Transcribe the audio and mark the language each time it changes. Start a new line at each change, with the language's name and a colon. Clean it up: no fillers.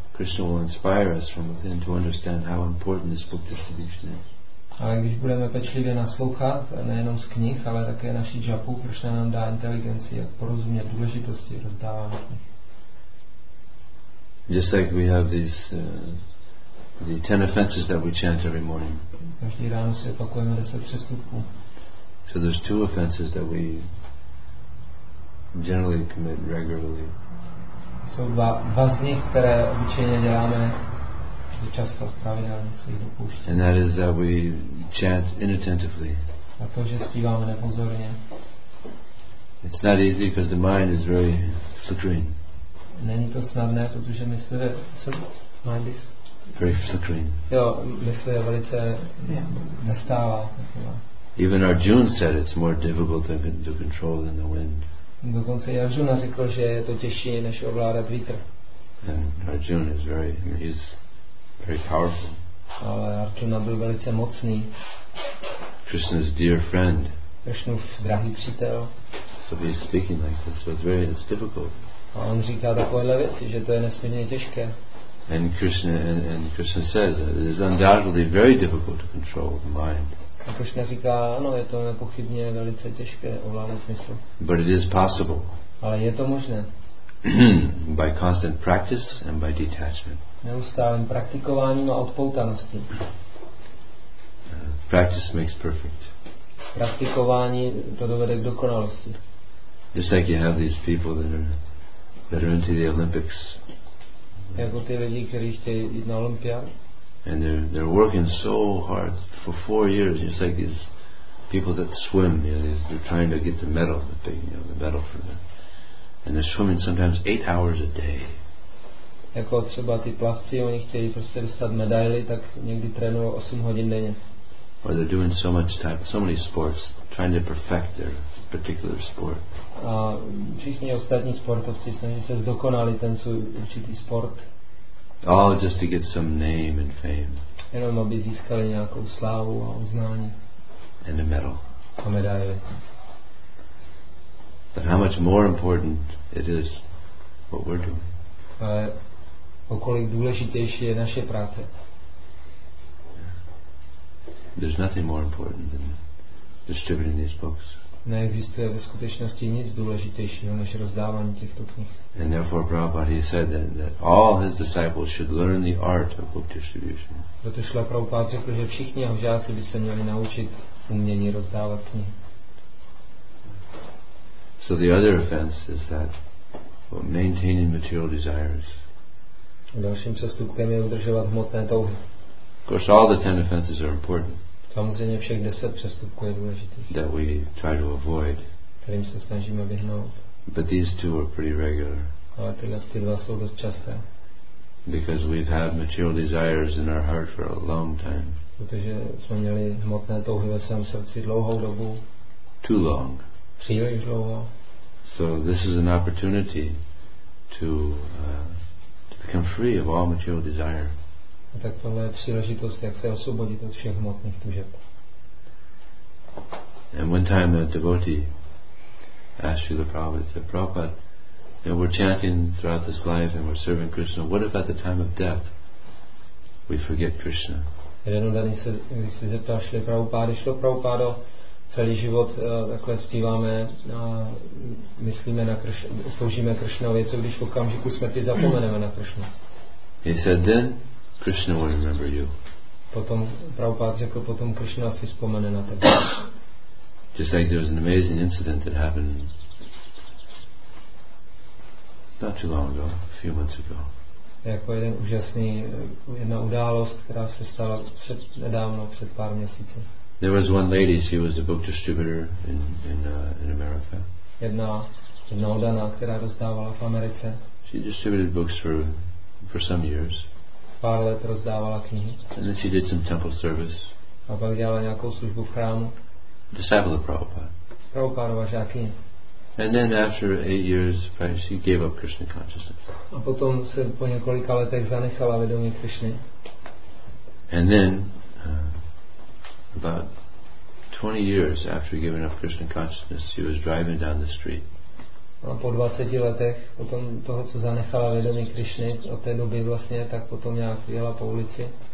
English: Krishna will inspire us from within to understand how important this book distribution is.
Czech: A když budeme pečlivě naslouchat, nejenom z knih, ale také naši japu, Krishna nám dá inteligenci, jak porozumět důležitosti rozdávání knih.
English: Just like we have these the 10 offenses that we chant every morning.
Czech: Každý ráno si opakujeme 10 přestupků.
English: So there's two offenses that we generally commit regularly.
Czech: Jsou dva z nich, které obyčejně děláme často pravidelně si dopouští.
English: And that is that we chant inattentively.
Czech: A to, že zpíváme nepozorně.
English: It's not easy because the mind is very flickering.
Czech: Není to snadné, protože mysl je
English: mind is very flickering.
Czech: Jo, mysl je velice nestává.
English: Even Arjuna said it's more difficult to control than the wind.
Czech: Dokonce Arjuna řekl, že je to těžší než ovládat vítr.
English: And Arjuna is very, he's very powerful.
Czech: Ale Arjuna byl velice mocný.
English: Krishna's dear friend.
Czech: Krishnův drahý přítel.
English: So he's speaking like this, so it's difficult.
Czech: A on říká takovéhle věci, že to je nesmírně těžké.
English: And Krishna and Krishna says it is undoubtedly very difficult to control the mind.
Czech: A Krishna říká, ano, je to nepochybně velice těžké ovládat mysl.
English: But it is possible.
Czech: Ale je to možné.
English: By constant practice and by detachment.
Czech: Neustálým praktikováním a odpoutaností.
English: Practice makes perfect.
Czech: Praktikování to dovede k dokonalosti.
English: Just like you have these people that are into the Olympics.
Czech: Jako ty lidi, kteří chtějí jít na olympiádu.
English: And they're working so hard for 4 years. Just like these people that swim, you know, they're trying to get the medal, the medal for them. And they're swimming sometimes 8 hours a day.
Czech: Jako třeba ty plavci, oni chtějí prostě dostat medaily, tak někdy trénují 8 hodin denně.
English: Or they're doing so much time, so many sports, trying to perfect their particular sport.
Czech: A všichni ostatní sportovci snaží se zdokonalit ten svůj určitý sport.
English: All just to get some name and fame.
Czech: Jenom aby získali nějakou slávu a uznání.
English: And a medal.
Czech: A medaily.
English: But how much more important it is what we're doing.
Czech: Ale o kolik důležitější je naše práce.
English: There's nothing more important than distributing these books.
Czech: Neexistuje ve skutečnosti nic důležitějšího než rozdávání těchto knih.
English: And therefore Prabhupada said that all his disciples should learn the art of book distribution.
Czech: Proto Šíla Prabhupáda řekl, že všichni jeho žáci by se měli naučit umění rozdávat knihy.
English: So the other offense is that maintaining material desires.
Czech: Dalším přestupkem je udržovat hmotné touhy.
English: Of course, all the 10 offenses are important.
Czech: Samozřejmě všech 10 přestupků je důležitý.
English: That we try to avoid.
Czech: Kterým se snažíme vyhnout.
English: But these two are pretty regular.
Czech: Ale tyhle ty dva jsou dost časté.
English: Because we've had material desires in our heart for a long time.
Czech: Protože jsme měli hmotné touhy ve svém srdci dlouhou dobu.
English: Too long.
Czech: Příliš dlouho.
English: So this is an opportunity to become free of all material desire.
Czech: A tak tohle je příležitost, jak se osvobodit od všech hmotných tužeb.
English: And one time a devotee asked Srila Prabhupada, said, Prabhupada, you know, we're chanting throughout this life and we're serving Krishna. What if at the time of death we forget Krishna?
Czech: Jeden odaný se, když se zeptal Srila Prabhupada, Šlo Prabhupado, celý život takhle zpíváme a myslíme na Krishna, sloužíme Krishnovi, co když v okamžiku smrti zapomeneme na Krishna?
English: He said, then Krishna will remember you.
Czech: Potom Prabhupada řekl, potom Krishna si vzpomene na tebe.
English: Just like there was an amazing incident that happened not too long ago, a few months ago.
Czech: Jako jeden úžasný, jedna událost, která se stala před nedávno, před pár měsíci.
English: There was one lady, she was a book distributor in America.
Czech: Jedna odaná, která rozdávala v Americe.
English: She distributed books for some years.
Czech: Pár let rozdávala knihy.
English: And then she did some temple service.
Czech: A pak dělala nějakou službu v chrámu.
English: Disciple of Prabhupada.
Czech: Prabhupádova žákyně.
English: And then after 8 years, she gave up Krishna consciousness.
Czech: A potom se po několika letech zanechala vědomí Krishny.
English: And then, about 20 years after giving up Krishna consciousness, she was driving down the street.
Czech: A po 20 letech potom toho, co zanechala vědomí Krišny od té doby vlastně, tak potom nějak jela po ulici.